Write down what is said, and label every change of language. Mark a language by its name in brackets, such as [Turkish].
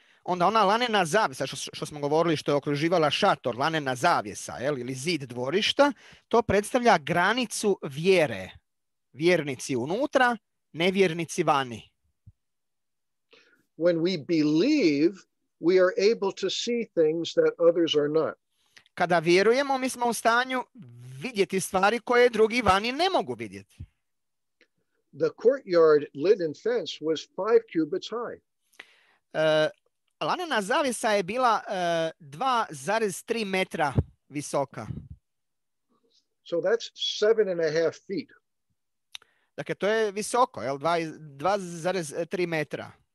[Croatian] Onda ona lanena zavjesa, što smo govorili, što je okruživala šator, lanena zavjesa, jel, ili zid dvorišta, to predstavlja granicu vjere. Vjernici unutra, nevjernici vani. [English] When we believe, we are able to see things that others are not. [Croatian] Kada vjerujemo, mi smo u stanju vidjeti stvari koje drugi vani ne mogu vidjeti. [English] The courtyard linen fence was 5 cubits high. [Croatian] Lanena zavjesa je bila 2,3 metra visoka. [English] So that's 7.5 feet. [Croatian] Dakle, to je visoko, jel? 2,3 metra.